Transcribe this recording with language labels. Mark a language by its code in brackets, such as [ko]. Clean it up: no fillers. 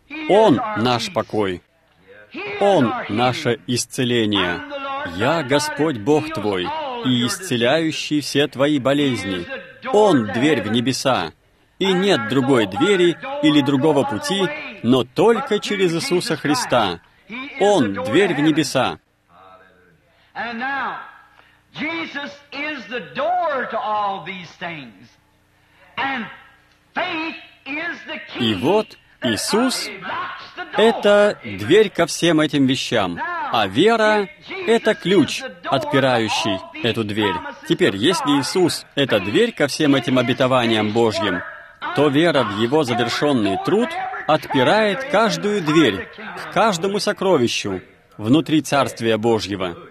[ru] Он — наш покой. Он — наше исцеление. «Я Господь Бог твой и исцеляющий все твои болезни». Он — дверь в небеса. И нет другой двери или другого пути, но только через Иисуса Христа. Он — дверь в небеса. [en] And now, Jesus is the door to all these things. And faith is the key. [ru] И вот Иисус — это дверь ко всем этим вещам, а вера — это ключ, отпирающий эту дверь. Теперь, если Иисус — это дверь ко всем этим обетованиям Божьим, то вера в Его завершенный труд отпирает каждую дверь к каждому сокровищу внутри Царствия Божьего.